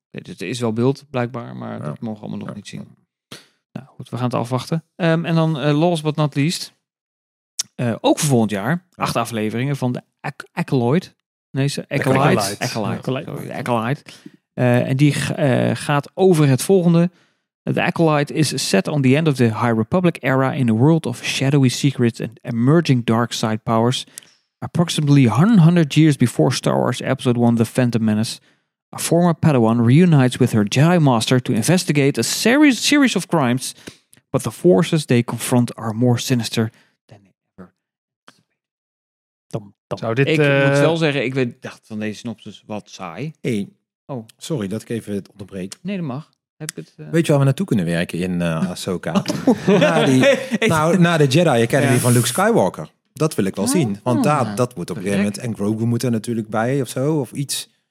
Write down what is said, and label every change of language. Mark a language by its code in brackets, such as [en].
[nl] Nee, dus het is wel beeld, blijkbaar, maar dat mogen we allemaal nog niet zien. Nou goed, we gaan het afwachten. En dan [en] last but not least. [nl] Ook voor volgend jaar. 8 afleveringen van de Acolyte. Nee, ze Acolyte. Acolyte. En die gaat over het volgende. [en] The Acolyte is set on the end of the High Republic era in a world of shadowy secrets and emerging dark side powers. Approximately 100 years before Star Wars Episode 1, The Phantom Menace. A former Padawan reunites with her Jedi Master to investigate a series of crimes, but the forces they confront are more sinister than ever. [nl] Zou dit, ik moet wel zeggen, ik dacht van deze synopsis wat saai. Hey, sorry dat ik even het onderbreek. Nee, dat mag. Weet je waar we naartoe kunnen werken in Ahsoka? na de Jedi Academy van Luke Skywalker. Dat wil ik wel zien. Want dat moet op een gegeven moment. En Grogu moet er natuurlijk bij of zo, of iets.